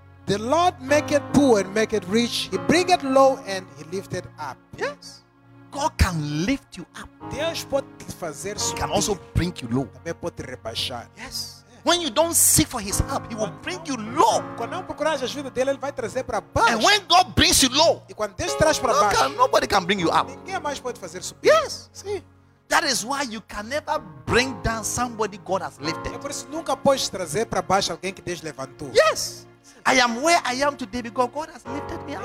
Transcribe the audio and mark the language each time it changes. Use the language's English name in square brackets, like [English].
[English] The Lord make it poor and make it rich. He bring it low and he lift it up. Yes. God can lift you up. [Portuguese] Deus pode fazer subir. [English] He can also bring you low. [Portuguese] Também pode rebaixar. [English] Yes. When you don't seek for his help, he will bring you low. [Portuguese] Quando não procurar a ajuda dele, ele vai trazer para baixo. [English] And when God brings you low, [Portuguese] e quando Deus traz para baixo, [English] nobody can bring you up. [Portuguese] Ninguém mais pode fazer subir. [English] Yes. [Portuguese] Sim. [English] That is why you can never bring down somebody God has lifted. [Portuguese] É por isso que nunca podes trazer para baixo alguém que Deus levantou. [English] Yes. I am where I am today because God has lifted me up.